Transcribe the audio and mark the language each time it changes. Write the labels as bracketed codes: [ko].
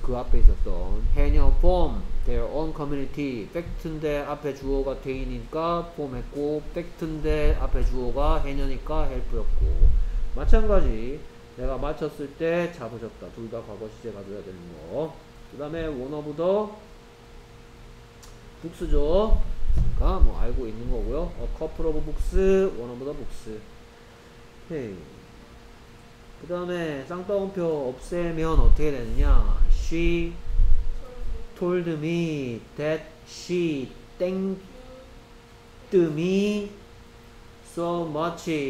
[ko] 그 앞에 있었던 해녀 [en] form their own community [ko] fact인데 앞에 주어가 대이니까 form 했고 fact인데 앞에 주어가 해녀니까 help였고 마찬가지 내가 맞췄을 때 잡으셨다. 둘 다 과거 시제 가져야 되는 거. 그 다음에 one of the 복수죠. 그니까 뭐 알고 있는 거고요. [en] A couple of books, one of the books. [ko] 오케이. 그 다음에 쌍따옴표 없애면 어떻게 되느냐. [en] She told me that she thanked me so much.